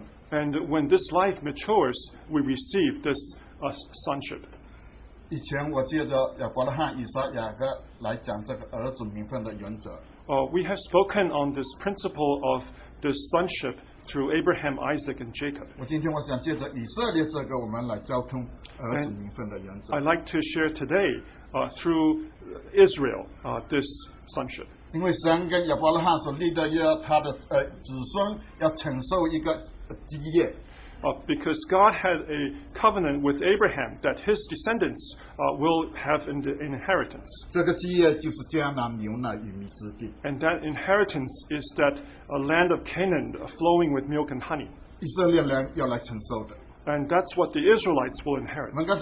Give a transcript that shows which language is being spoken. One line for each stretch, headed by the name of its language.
English: And when this life matures, we receive this sonship.
Chinese: 以前我记得亚伯拉罕、以撒、雅各来讲这个儿子名分的原则。
English: We have spoken on this principle of the sonship through Abraham, Isaac, and Jacob.
Chinese: 今天我想借着以色列这个我们来交通儿子名分的原则。
English: I'd like to share today through Israel this sonship.
Chinese: 因为神跟亚伯拉罕所立的约，他的子孙要承受一个基业。
English: Because God had a covenant with Abraham that his descendants will have an inheritance. And that inheritance is that a land of Canaan flowing with milk and honey. And that's what the Israelites will inherit.